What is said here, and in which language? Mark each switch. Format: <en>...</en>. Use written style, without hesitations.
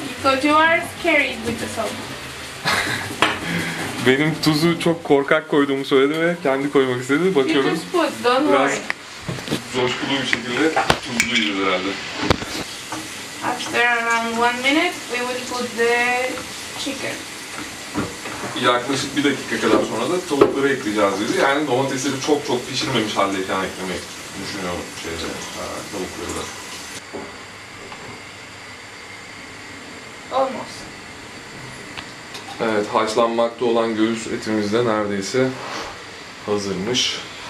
<en>Because you are scary with the salt.</en> <tr>Benim tuzu çok korkak koyduğumu söyledi ve kendi koymak istedi. Bakıyorum.</tr> <en>You just put, don't</en> <tr>biraz</tr> <en>worry.</en> <tr>Coşkulu bir şekilde tuzlu yiyiz herhalde.</tr> <en>After around 1 minute, we will put the chicken.</en> <tr>Yaklaşık bir dakika kadar sonra da tavukları ekleyeceğiz dedi. Yani domatesleri çok çok pişirmemiş haldeyken eklemek düşünüyorum şeyde tavukları da.</tr> <en>Almost.</en> <tr>Evet, haşlanmakta olan göğüs etimiz de neredeyse hazırmış.</tr>